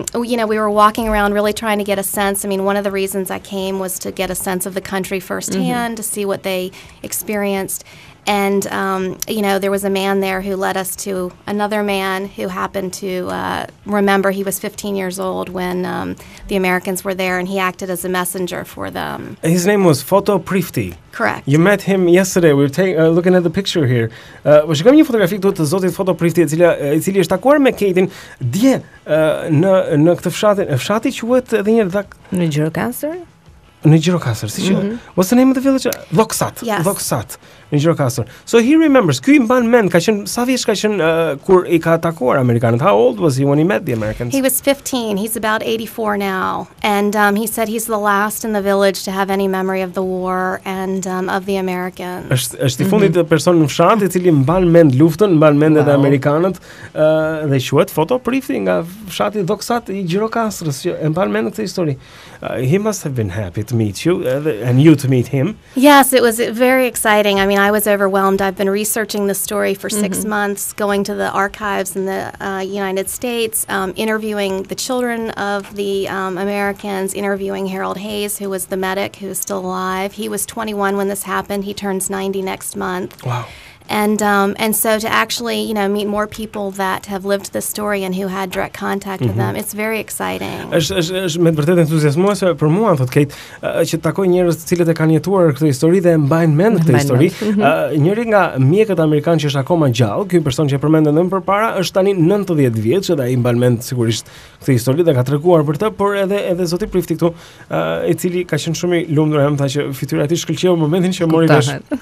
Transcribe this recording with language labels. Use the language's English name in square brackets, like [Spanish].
[English] you know, we were walking around really trying to get a sense. I mean, one of the reasons I came was to get a sense of the country firsthand, to see what they experienced. And, you know, there was a man there who led us to another man who happened to remember he was 15 years old when the Americans were there, and he acted as a messenger for them. His name was Foto Prifti. Correct. You met him yesterday. We were looking at the picture here. [Albanian] Po shikojmë një fotografi këtu të zotit Foto Prifti, i cili është takuar me Katin dje në këtë fshatin. Fshati quhet edhe një dhak... Në Gjirokastër? Në Gjirokastër, si që... [English] What's the name of the village? Thuxet. Yes. [Albanian] Thuxet. Newcastle. [English] So he remembers, [Albanian] ky mban mend, ka qen sa vjeç ka qen kur I ka takuar amerikanët? [English] How old was he when he met the Americans? He was 15. He's about 84 now. And he said he's the last in the village to have any memory of the war and of the Americans. [Albanian] Është I fundit person në fshat I cili mban mend luftën, mban mend edhe amerikanët, dhe quhet foto prifti nga fshati Doksat I Gjirokastrës, që e mban mend këtë histori. [English] He must have been happy to meet you and you to meet him. Yes, it was very exciting. I mean, I was overwhelmed. I've been researching the story for 6 months, going to the archives in the United States, interviewing the children of the Americans, interviewing Harold Hayes, who was the medic who is still alive. He was 21 when this happened. He turns 90 next month. Wow. And so to actually, you know, meet more people that have lived the story and who had direct contact with them, it's very exciting. [Albanian] Është me vërtet entuziazmuese për mua, thot Kate, që takoj njerëz të cilët e kanë jetuar këtë histori dhe mbajnë mend këtë histori. Njëri nga mjekët amerikan që është akoma gjallë, ky person që përmendëm më përpara, është tani 90 vjeç dhe ai mban mend sigurisht këtë histori dhe ka treguar për të, por edhe zoti prifti këtu, I cili ka qenë shumë I lumtur, më tha që fytyra e tij shkëlqeu momentin që mori vesh.